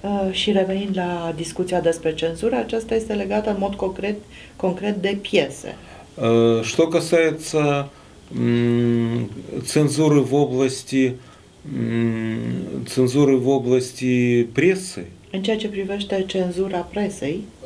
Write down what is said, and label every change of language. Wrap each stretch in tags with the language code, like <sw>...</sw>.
<ro>Și revenind la discuția despre cenzură, aceasta este legată în mod concret de piese.</ro> <ru>Что касается цензуры в области прессы.</ru> <ro>În ceea ce privește cenzura presei,</ro>